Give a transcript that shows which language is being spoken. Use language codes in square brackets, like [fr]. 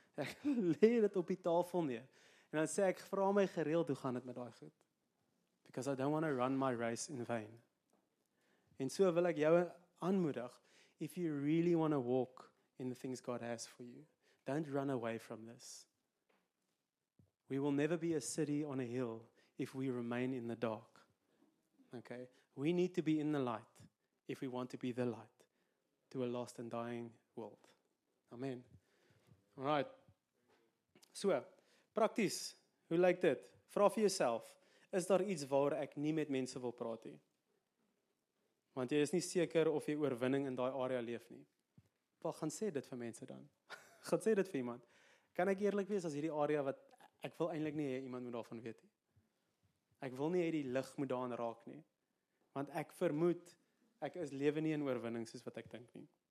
[af] Ek lê dit op die tafel neer. En dan sê ek, vra my gereeld hoe gaan dit met daai goed? [en] Because I don't want to run my race in vain. [af] En so wil ek jou aanmoedig, [en] if you really want to walk in the things God has for you, don't run away from this. We will never be a city on a hill if we remain in the dark. Okay? We need to be in the light if we want to be the light to a lost and dying world. [af] Amen. [en] All right. [af] So, prakties. Hoe lyk dit? Vra vir jouself, is daar iets waar ek nie met mense wil praat nie? Want jy is nie seker of jy oorwinning in daai area leef nie. Wat gaan sê dit vir mense dan? Gaan sê dit vir iemand? Kan ek eerlik wees as hierdie area wat ek wil eintlik nie hê iemand moet daarvan weet nie. Ek wil nie hê die lig moet daaraan raak nie. Want ek vermoed ek is lewe nie in oorwinning soos wat ek dink nie.